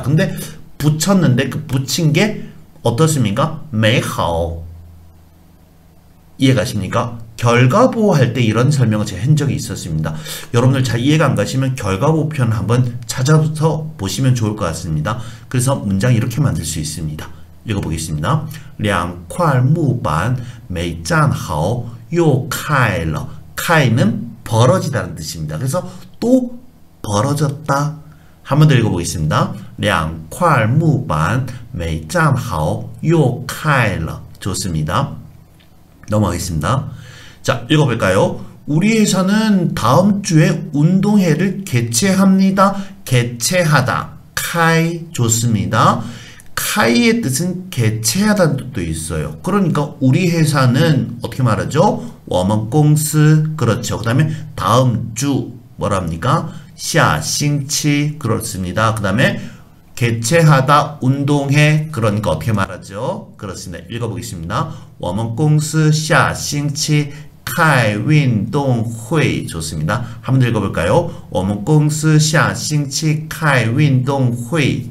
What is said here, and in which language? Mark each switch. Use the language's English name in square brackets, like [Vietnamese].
[Korean] 근데 붙였는데 그 붙인 게 어떻습니까? 메하오. 이해가십니까? 결과보호 할때 이런 설명을 제가 한 적이 있었습니다. 여러분들 잘 이해가 안 가시면 결과보호 표현 한번 찾아서 보시면 좋을 것 같습니다. 그래서 문장 이렇게 만들 수 있습니다. 읽어보겠습니다. [Chinese] 两块木板 没站好, 又 开了. [Korean] 开는 벌어지다는 뜻입니다. 그래서 또 벌어졌다. 한번 더 읽어보겠습니다. [Chinese] 两块木板 没站好, 又 开了. [Korean] 좋습니다. 넘어가겠습니다. 자, 읽어볼까요? 우리 회사는 다음 주에 운동회를 개최합니다. 개최하다. 카이. 좋습니다. 카이의 뜻은 개최하다는 뜻도 있어요. 그러니까 우리 회사는 어떻게 말하죠? 워먼공스. 그렇죠. 그 다음에 다음 주. 뭐랍니까? 샤싱치. 그렇습니다. 그 다음에 개최하다, 운동해, 그런 거 어떻게 말하죠? 그렇습니다. 읽어보겠습니다. [Chinese] 我们公司下星期开运动会. [Korean] 좋습니다. 한번 읽어볼까요? [Chinese] 我们公司下星期开运动会.